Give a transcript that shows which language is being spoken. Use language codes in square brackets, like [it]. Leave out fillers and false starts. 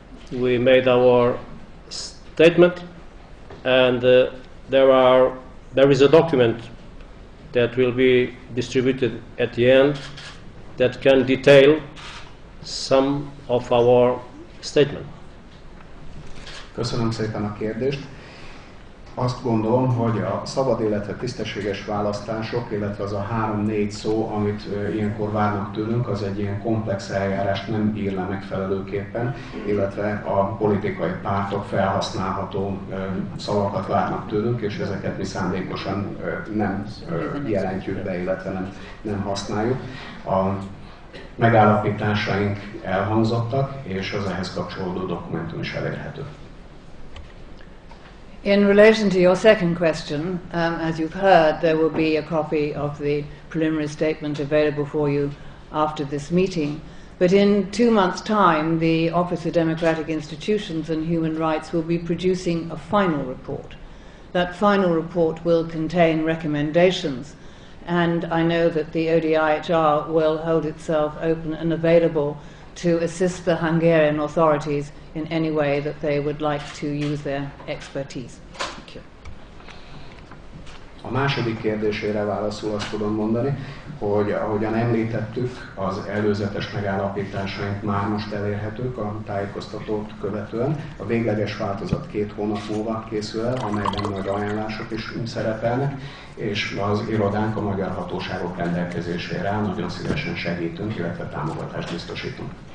[en] We made our statement, and there is a document that will be distributed at the end that can detail some of our statement. [hu] Köszönöm szépen a kérdést. Azt gondolom, hogy a szabad, illetve tisztességes választások, illetve az a 3-4 szó, amit ilyenkor várnak tőlünk, az egy ilyen komplex eljárás nem bír le megfelelőképpen, illetve a politikai pártok felhasználható szavakat várnak tőlünk, és ezeket mi szándékosan nem jelentjük be, illetve nem használjuk. A megállapításaink elhangzottak, és az ehhez kapcsolódó dokumentum is elérhető. [en] In relation to your second question, as you've heard, there will be a copy of the preliminary statement available for you after this meeting. But in 2 months' time, the Office of Democratic Institutions and Human Rights will be producing a final report. That final report will contain recommendations, and I know that the ODIHR will hold itself open and available to assist the Hungarian authorities in any way that they would like to use their expertise. Thank you. [hu] A második kérdésére válaszul, azt tudom mondani, hogy ahogyan említettük, az előzetes megállapításaink már most elérhetők a tájékoztatót követően. A végleges változat 2 hónap múlva készül el, amelyben nagy ajánlások is szerepelnek, és az irodánk a magyar hatóságok rendelkezésére áll, nagyon szívesen segítünk, illetve támogatást biztosítunk.